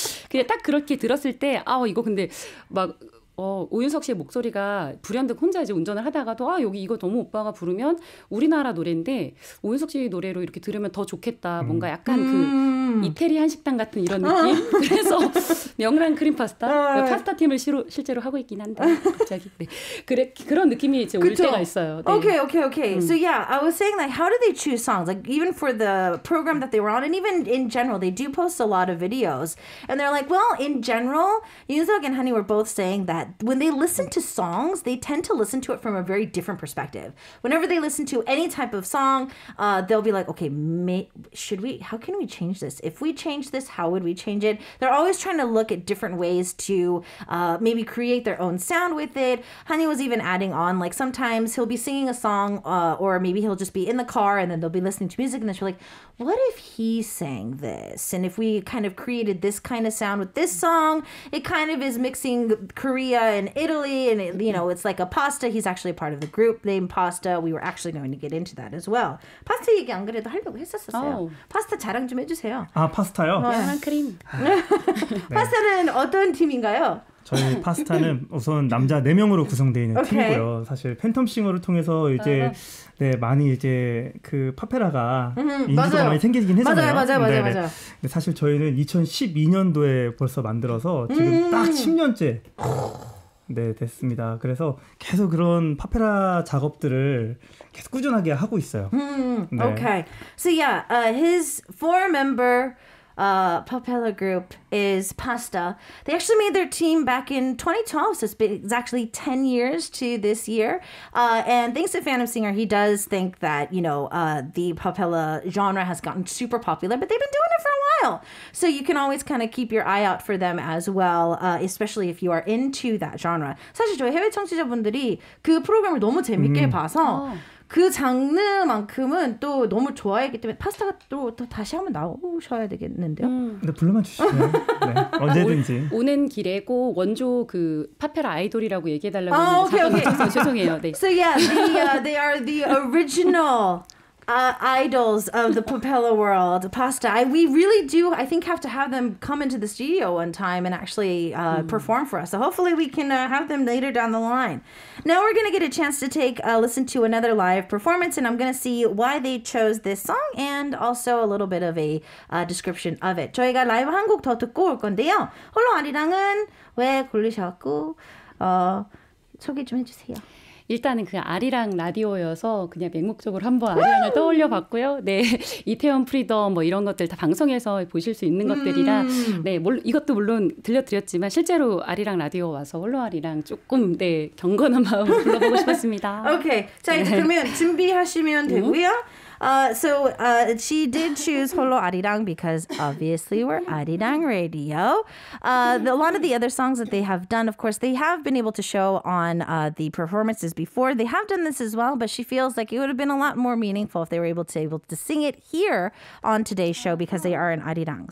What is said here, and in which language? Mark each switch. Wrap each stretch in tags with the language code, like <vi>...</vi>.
<ko>그냥 딱 그렇게 들었을 때 이거 근데 막 오윤석 씨의 목소리가 불현듯 혼자 이제 운전을 하다가도 여기 이거 너무 오빠가 부르면 우리나라 노래인데 오윤석 씨의 노래로 이렇게 들으면 더 좋겠다. 뭔가 약간 그 이태리안 식당 같은 이런 느낌? 그래서 명란 크림 파스타? 파스타 팀을 실제로 하고 있긴 한데 갑자기. 네. 그런 느낌이 이제 올 때가 있어요. 네. Okay.</ko> <en>So yeah, I was saying like how do they choose songs? Like even for the program that they were on and even in general, they do post a lot of videos. And they're like, well, in general, Yoon-seok and Honey were both saying that when they listen to songs, they tend to listen to it from a very different perspective. Whenever they listen to any type of song, they'll be like, okay, how can we change this? If we change this, how would we change it? They're always trying to look at different ways to maybe create their own sound with it. Honey was even adding on, like sometimes he'll be singing a song or maybe he'll just be in the car and then they'll be listening to music and then she'll be like, what if he sang this? And if we kind of created this kind of sound with this song, it kind of is mixing Korea and Italy, and it, you know, it's like a pasta. He's actually a part of the group named Pasta. We were actually going to get into that as well.</en> <ko>Pasta 얘기 안 그래도 하려고 했었어요. 파스타 자랑 좀 해주세요. 파스타요? 명란 크림. 파스타는 어떤 팀인가요? 저희 파스타는 우선 남자 4명으로 구성되어 있는 okay. 팀이고요. 사실 팬텀싱어를 통해서 이제 네, 많이 이제 그 파페라가 인기가 많이 생기긴 했잖아요. 맞아요, 맞아요, 맞아요. 맞아요. 근데 사실 저희는 2012년도에 벌써 만들어서 지금 딱 10년째 네, 됐습니다. 그래서 계속 그런 파페라 작업들을 계속 꾸준하게 하고 있어요.</ko> <en>네. Okay. So yeah, his four member Papella group is Pasta. They actually made their team back in 2012, so it's been exactly 10 years to this year. And thanks to Phantom Singer, he does think that, you know, the Papella genre has gotten super popular, but they've been doing it for a while. So you can always kind of keep your eye out for them as well, especially if you are into that genre.</en> <ko>사실 저희 해외 청취자분들이 그 프로그램을 너무 재밌게 봐서 그 장르만큼은 또 너무 좋아했기 때문에 파스타가 또 다시 한번 나오셔야 되겠는데요. 근데 불러만 주시면 네, 언제든지 오는 길에 꼭 원조 그 파페라 아이돌이라고 얘기해 달라고 오케이 오케이 죄송해요. 네.</ko> <en>So yeah, they are the original idols of the Papella world, Pasta. We really do, I think, have to have them come into the studio one time and actually perform for us. So hopefully we can have them later down the line. Now we're going to get a chance to take a listen to another live performance, and I'm going to see why they chose this song and also a little bit of a description of it.</en> <ko>저희가 라이브 한 곡 더 듣고 올 건데요. 홀로 아리랑은 왜 고르셨고 소개 좀 해주세요. 일단은 그 아리랑 라디오여서 그냥 맹목적으로 한번 아리랑을 떠올려 봤고요. 네, 이태원 프리덤 뭐 이런 것들 다 방송에서 보실 수 있는 것들이라 네, 이것도 물론 들려드렸지만 실제로 아리랑 라디오 와서 홀로 아리랑 조금 네, 경건한 마음으로 불러보고 싶었습니다. 오케이, 자 이제 그러면 준비하시면 되고요.</ko> <en>So she did choose Holo Arirang because obviously we're Arirang Radio. A lot of the other songs that they have done, of course, they have been able to show on the performances before. They have done this as well, but she feels like it would have been a lot more meaningful if they were able to sing it here on today's show because they are in Arirang.</en>